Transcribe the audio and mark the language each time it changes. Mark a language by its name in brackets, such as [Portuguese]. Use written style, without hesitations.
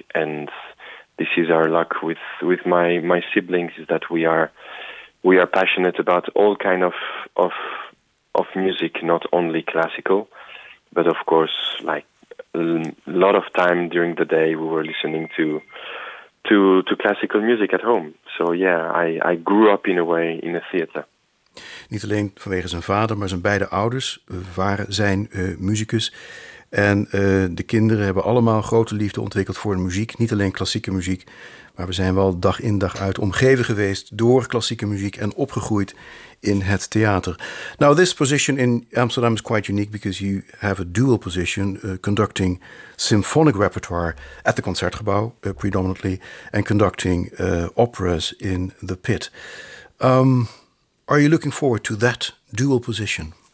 [English] And this is our luck with my siblings, is that we are passionate about all kind of music, not only classical, but of course, like a lot of time during the day, we were listening to classical music at home. So yeah, I grew up in a way in a theater. [Dutch] Niet alleen vanwege zijn vader, maar zijn beide ouders waren zijn muzikus. En de kinderen hebben allemaal grote liefde ontwikkeld voor de muziek. Niet alleen klassieke muziek, maar we zijn wel dag in dag uit omgeven geweest door klassieke muziek en opgegroeid in het theater. [English] Now, this position in Amsterdam is quite unique because you have a dual position, conducting symphonic repertoire at the Concertgebouw, predominantly, and conducting operas in the Pit. Are you looking forward to that dual position?